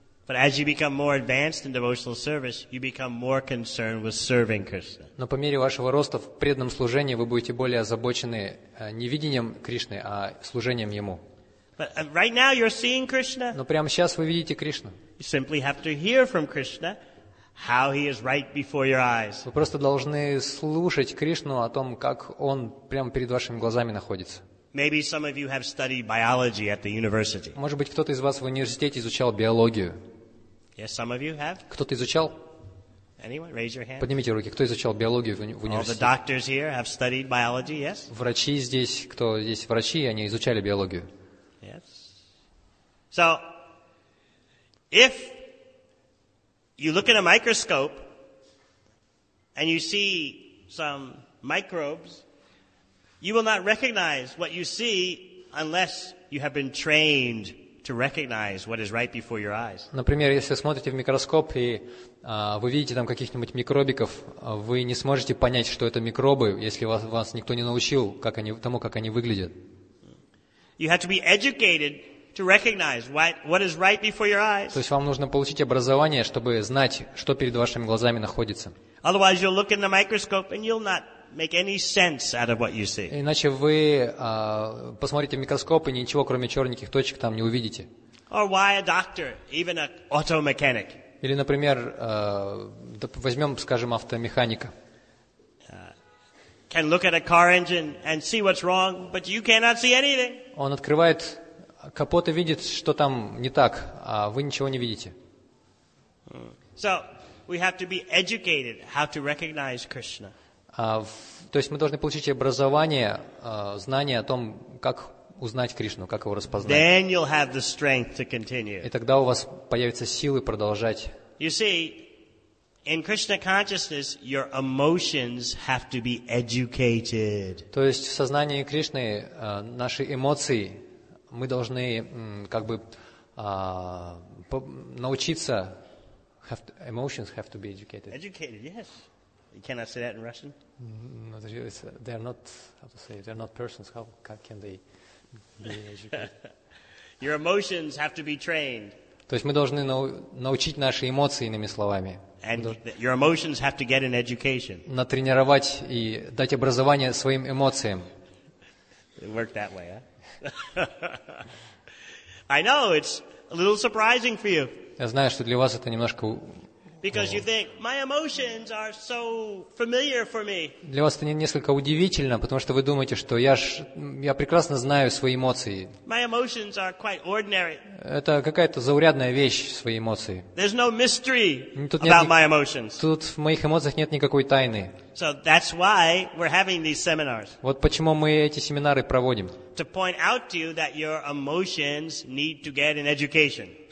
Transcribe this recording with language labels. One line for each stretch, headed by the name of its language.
English: But as you become more advanced in devotional service, you become more concerned with serving Krishna.
Russian: Но по мере вашего роста в преданном служении вы будете более озабочены не видением Кришны, а служением ему.
English: But right now you're seeing Krishna.
Russian: Но прямо сейчас вы видите Кришну.
English: You simply have to hear from Krishna how he is right before your eyes.
Russian: Вы просто должны слушать Кришну о том, как он прямо перед вашими глазами находится.
English: Maybe some of you have studied biology at the university.
Russian: Может быть, кто-то из вас в университете изучал биологию?
English: Yes, some of you have.
Russian: Кто-то изучал?
English: Anyone? Raise your hand.
Russian: Поднимите руки, кто изучал биологию в университете?
English: All the doctors here have studied biology, yes?
Russian: Врачи здесь, кто здесь врачи, они изучали биологию.
English: Yes. So, if you look in a microscope and you see some microbes, you will not recognize what you see unless you have been trained to recognize what is right before your eyes.
Russian: Например, если смотрите в микроскоп и вы видите там каких-нибудь микробиков, вы не сможете понять, что это микробы, если вас никто не научил, как они выглядят.
English: You have to be educated to recognize what is right before your eyes.
Russian: То есть вам нужно получить образование, чтобы знать, что перед вашими глазами находится.
English: Otherwise, you'll look in the microscope and you'll not make any sense out of what you see.
Russian: Иначе вы посмотрите в микроскоп и ничего, кроме черненьких точек, там не увидите.
English: Or why a doctor, even an auto mechanic.
Russian: Или, например, возьмем, скажем, автомеханика.
English: Can look at a car engine and see what's wrong, but you cannot see anything.
Russian: Он открывает капот и видит, что там не так, а вы ничего не видите.
English: So we have to be educated how to recognize Krishna.
Russian: То есть мы должны получить образование, знание о том, как узнать Кришну, как его распознать.
English: Then you'll have the strength to continue.
Russian: И тогда у вас появятся силы продолжать.
English: You see, in Krishna consciousness, your emotions have to be educated.
Russian: То есть в сознании Кришны наши эмоции мы должны как бы научиться.
English: Have to, emotions have to be educated. Educated, yes. You cannot say that in Russian. No, they are not. How to say? They are not persons. How can they be educated? Your emotions have to be trained.
Russian: То есть мы должны научить наши эмоции, иными словами.
English: And your emotions have to get an education.
Russian: Натренировать и дать образование своим эмоциям.
English: It worked that way, huh? I know it's a little surprising for you.
Russian: Я знаю, что для вас это немножко.
English: Because you think my emotions are so familiar for me.
Russian: Для вас это несколько удивительно, потому что вы думаете, что я прекрасно знаю свои эмоции.
English: My emotions are quite ordinary.
Russian: Это какая-то заурядная вещь, свои эмоции.
English: There's no mystery about my emotions.
Russian: Тут в моих эмоциях нет никакой тайны.
English: So that's why we're having these seminars.
Russian: Вот почему мы эти семинары проводим.
English: To point out to you that your emotions need to get an education.